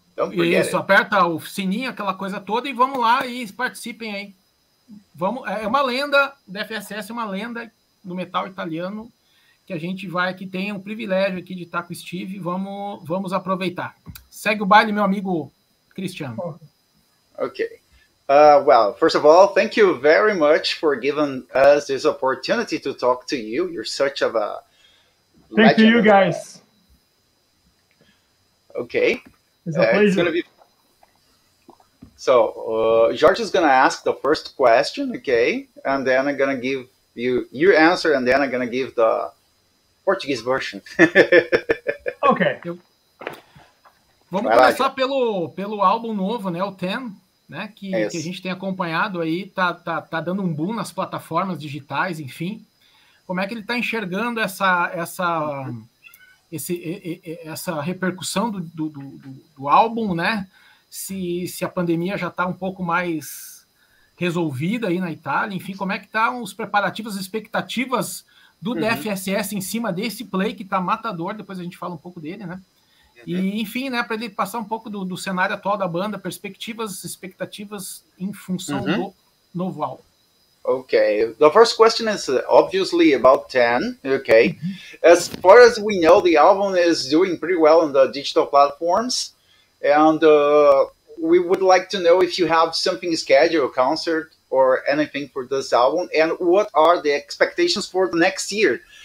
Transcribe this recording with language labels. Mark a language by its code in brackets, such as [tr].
[en] Don't forget. [pt] Isso, aperta o sininho, aquela coisa toda, e vamos lá e participem aí. Vamos, é uma lenda, o DFSS é uma lenda do metal italiano, que a gente vai aqui, tem um privilégio aqui de estar com o Steve, vamos aproveitar. Segue o baile, meu amigo Cristiano. Ok. [en] Well, first of all, thank you very much for giving us this opportunity to talk to you. You're such of a legend. Thank you, guys. Ok. It's going to be... So, George is going to ask the first question, okay? And then I'm going to give you your answer, and then I'm going to give the Portuguese version. Okay. [pt] Vamos vai começar lá, pelo álbum novo, né? O Ten, né? Que a gente tem acompanhado aí, tá dando um boom nas plataformas digitais, enfim. Como é que ele tá enxergando essa repercussão do álbum, né? Se a pandemia já está um pouco mais resolvida aí na Itália, enfim, como é que estão os preparativos, as expectativas do DFSS em cima desse play que está matador, depois a gente fala um pouco dele, né? E, enfim, né, para ele passar um pouco do cenário atual da banda, perspectivas, expectativas em função do novo álbum. [en] Ok, the first question is obviously about 10, ok? As far as we know, the album is doing pretty well on the digital platforms. And we would like to know if you have something scheduled, a concert or anything for this album, and what are the expectations for the next year?